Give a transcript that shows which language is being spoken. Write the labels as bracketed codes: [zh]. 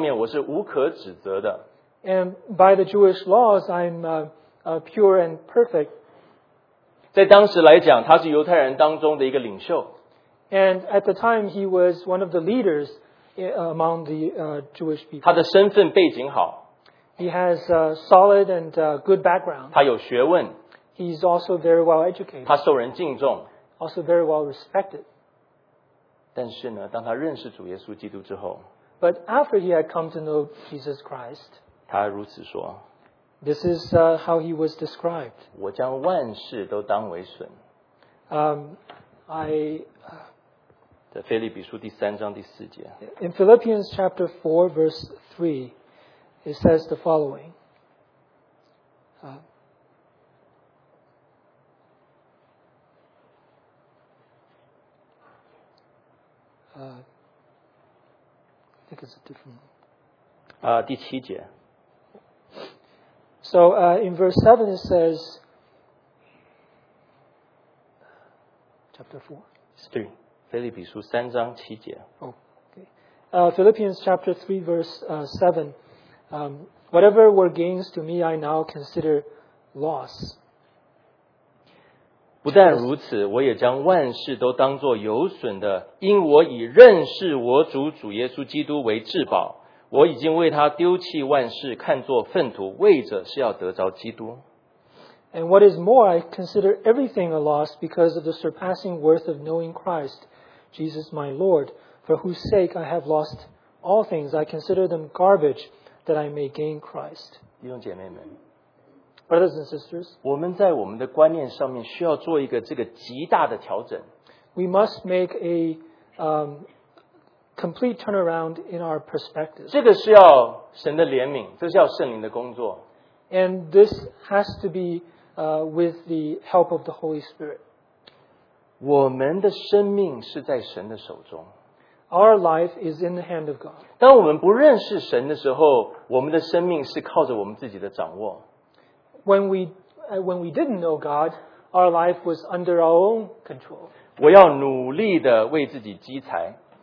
[zh] 并且就犹太人的观念来讲，我是最属灵，在这个宗教信仰上面、律法上面，我是无可指责的。 [en] And by the Jewish laws, I'm pure and perfect. [zh] 在当时来讲，他是犹太人当中的一个领袖。 [en] And at the time, he was one of the leaders among the Jewish people. [zh] 他的身份背景好, [en] he has a solid and good background. [zh] 他有学问, [en] he's also very well educated. [zh] 他受人敬重, [en] also very well respected. [zh] 但是呢, 当他认识主耶稣基督之后, [en] but after he had come to know Jesus Christ, [zh] 他如此说, [en] this is how he was described. [zh] 我将万事都当为损。在腓立比书第三章第四节。 [en] In Philippians chapter 4, verse 3, it says the following. I think it's a different one. [zh] 第七节。 [en] So in verse 7, it says, chapter 4. It's 3. Philippians 3, verse 7. Philippians chapter 3, verse 7. Whatever were gains to me, I now consider loss. [zh] 不但如此，我也将万事都当作有损的，因我已认识我主主耶稣基督为至宝。我已经为他丢弃万事，看作粪土，为者是要得着基督。And [en] what is more, I consider everything a loss because of the surpassing worth of knowing Christ, Jesus my Lord, for whose sake I have lost all things. I consider them garbage that I may gain Christ. [zh] 弟兄姐妹们, [en] Brothers and sisters, [zh] 我们在我们的观念上面需要做一个这个极大的调整。 [en] We must make a complete turnaround in our perspective. [zh] 这个是要神的怜悯，这是要圣灵的工作。 [en] And this has to be with the help of the Holy Spirit. [zh] 我们的生命是在神的手中。 [en] Our life is in the hand of God. [zh] 当我们不认识神的时候，我们的生命是靠着我们自己的掌握。 [en] When we didn't know God, our life was under our own control. [zh] 我要努力地为自己积财。